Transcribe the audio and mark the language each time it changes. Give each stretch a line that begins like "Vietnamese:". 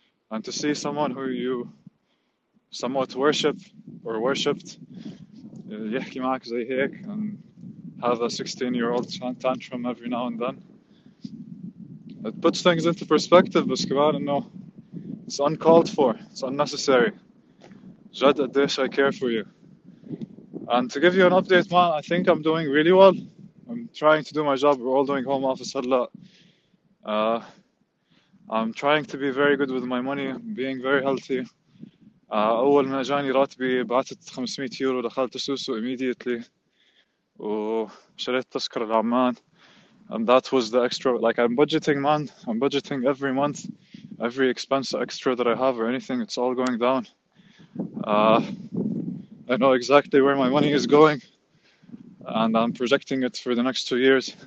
English: And to see someone who you somewhat worship or worshipped, and have a 16-year-old tantrum every now and then, it puts things into perspective, Buskaban, and no, it's uncalled for. It's unnecessary. Jad Adesh, I care for you. And to give you an update, man, I think I'm doing really well. I'm trying to do my job. We're all doing home office a lot. I'm trying to be very good with my money, being very healthy.
Arabic: أول ما جاني راتبي بعتت 500 يورو دخلت سوسو
English: immediately
Arabic: وشريت تذكرة لعمان.
English: And that was the extra, like I'm budgeting, man. I'm budgeting every month, every expense extra that I have or anything, it's all going down. I know exactly where my money is going and I'm projecting it for the next 2 years.